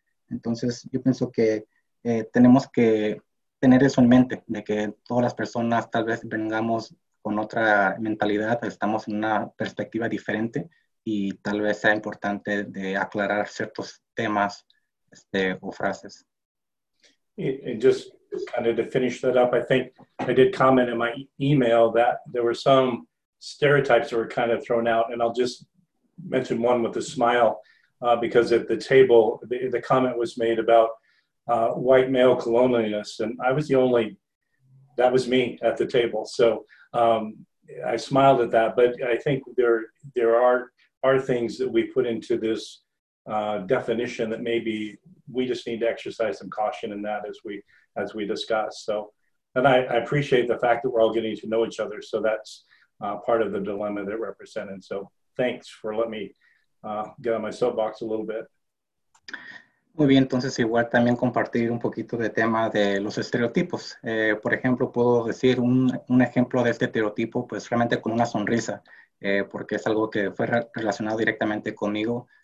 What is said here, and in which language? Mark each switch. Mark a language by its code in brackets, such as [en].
[es] Entonces, yo pienso que tenemos que tener eso en mente, de que todas las personas tal vez vengamos con otra mentalidad, estamos en una perspectiva diferente y tal vez sea importante de aclarar ciertos temas o frases. [en] And just kind of to finish that up, I think I did comment in my email that there were some stereotypes that were kind of thrown out, and I'll just mention one with a smile. Because at the table, the comment was made about white male colonialists, and I was the only, that was me at the table. So I smiled at that, but I think there are things that we put into this definition that maybe we just need to exercise some caution in that as we discuss. So, and I appreciate the fact that we're all getting to know each other. So that's part of the dilemma that represented. So thanks for letting me get on my soapbox a little bit. [es] Muy bien, entonces igual también compartir un poquito de tema de los estereotipos. Por ejemplo, puedo decir un ejemplo de este estereotipo, pues realmente con una sonrisa, porque es algo que fue relacionado directamente conmigo.